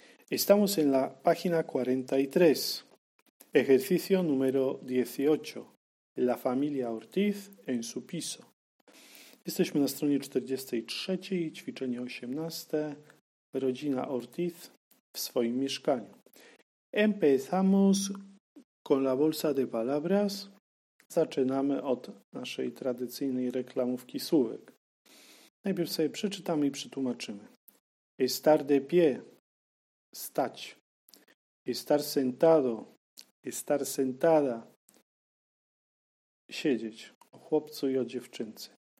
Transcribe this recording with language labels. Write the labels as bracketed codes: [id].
[es] Estamos en la página 43, ejercicio número 18, la familia Ortiz en su piso. [pl] Jesteśmy na stronie 43, ćwiczenie 18, rodzina Ortiz w swoim mieszkaniu. [es] Empezamos con la bolsa de palabras. [pl] Zaczynamy od naszej tradycyjnej reklamówki słówek. Najpierw sobie przeczytamy i przetłumaczymy. [es] Estar de pie, [pl] stać. [es] Estar sentado, estar sentada, [pl] siedzieć, o chłopcu i o dziewczynce.